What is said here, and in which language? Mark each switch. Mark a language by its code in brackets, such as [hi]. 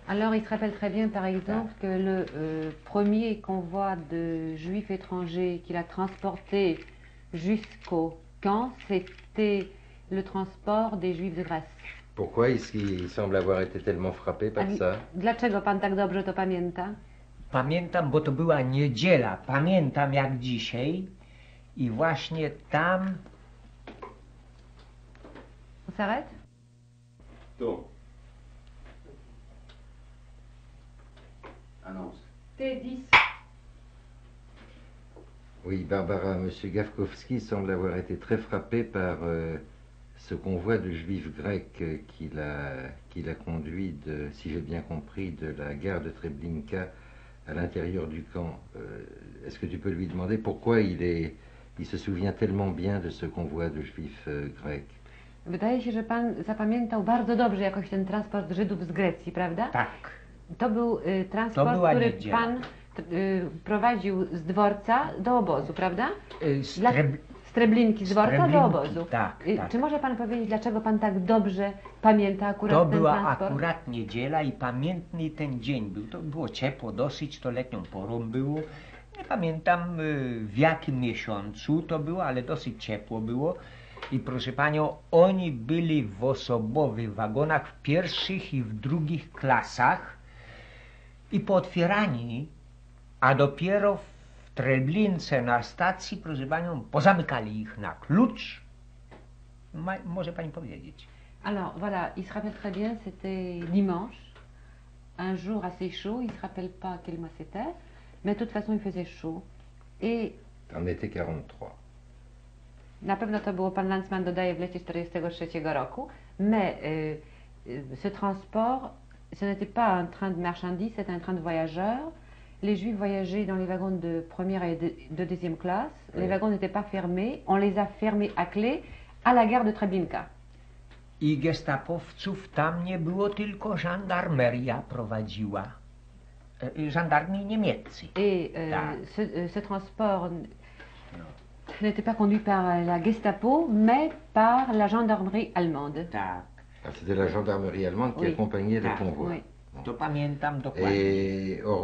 [fr] Alors, il se rappelle très bien, par exemple, que le premier convoi de juifs étrangers qu'il a transporté jusqu'au camp, c'était le transport des juifs de Grèce. Pourquoi est-ce qu'il semble avoir été tellement frappé par ça? [pl] Dlaczego pan tak dobrze to pamięta? Pamiętam, bo to była niedziela. Pamiętam jak dzisiaj. I właśnie tam... [fr] On s'arrête? [pl] To. [fr] Annonce. T10. Oui, Barbara, monsieur Gawkowski semble avoir été très frappé par... ce convoi de juifs grecs qu'il a conduit, de, si j'ai bien compris, de la gare de Treblinka à l'intérieur du camp. Est-ce que tu peux lui demander pourquoi il se souvient tellement bien de ce convoi de juifs grecs? [pl] Wydaje się, że pan zapamiętał bardzo dobrze jakoś ten transport Żydów z Grecji, prawda? Tak. To był transport, który pan prowadził z dworca do obozu, prawda? Treblinki, z dworca do obozu. Tak, tak. Czy może pan powiedzieć, dlaczego pan tak dobrze pamięta akurat to ten transport? To była akurat niedziela i pamiętny ten dzień był. To było ciepło dosyć, to letnią porą było. Nie pamiętam w jakim miesiącu to było, ale dosyć ciepło było. I proszę panią, oni byli w osobowych wagonach, w pierwszych i w drugich klasach. I pootwierani, a dopiero w Treblince na stacji, proszę panią, pozamykali ich na klucz. Może pani powiedzieć. [fr] Alors, voilà, il se rappelle très bien, c'était dimanche, un jour assez chaud, il se rappelle pas quel mois c'était, mais de toute façon il faisait chaud. Et... en été 43. [pl] Na pewno to było, pan Lanzmann dodaje, w lecie 43 roku, [fr] mais ce transport, ce n'était pas un train de marchandises, c'était un train de voyageurs. Les Juifs voyageaient dans les wagons de première et de deuxième classe. Oui. Les wagons n'étaient pas fermés. On les a fermés à clé à la gare de Treblinka. [pl] I gestapowców tam nie było, tylko żandarmeria prowadziła. Żandarmi niemieccy. [fr] Et ce transport n'était pas conduit par la Gestapo, mais par la gendarmerie allemande. [pl] Tak. [fr] Ah, c'était la gendarmerie allemande qui accompagnait le convoi. Oui. [pl] To pamiętam dokładnie.